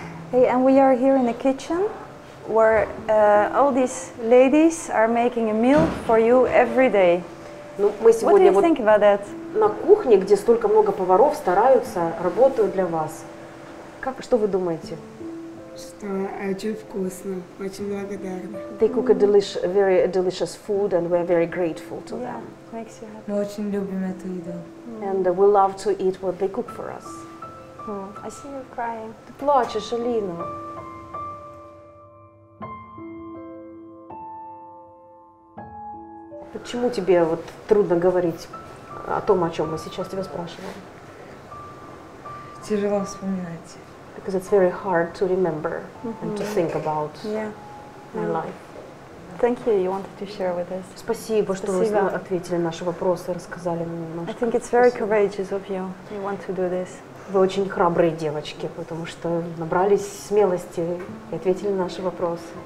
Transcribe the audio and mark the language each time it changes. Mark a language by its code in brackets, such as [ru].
[en] Hey, and we are here in the kitchen where all these ladies are making a meal for you every day. [ru] Ну, мы сегодня [en] what do you think about that? [ru] На кухне, где столько много поваров стараются, работают для вас. Как, что вы думаете? Что очень вкусно, очень благодарна. [en] They cook a very delicious food and we're very grateful to them. Makes you happy. [ru] Мы очень любим эту еду. [en] And we love to eat what they cook for us. I see you crying. [ru] Ты плачешь, Алина. Почему тебе вот трудно говорить о том, о чем мы сейчас тебя спрашиваем? Тяжело вспоминать. [en] Because it's very hard to remember and to think about my life. Thank you. You wanted to share with us. [ru] Спасибо, что вы ответили на наши вопросы и рассказали мне немножко. [en] I think it's very courageous of you. You want to do this. [ru] Вы очень храбрые девочки, потому что набрались смелости и ответили на наши вопросы.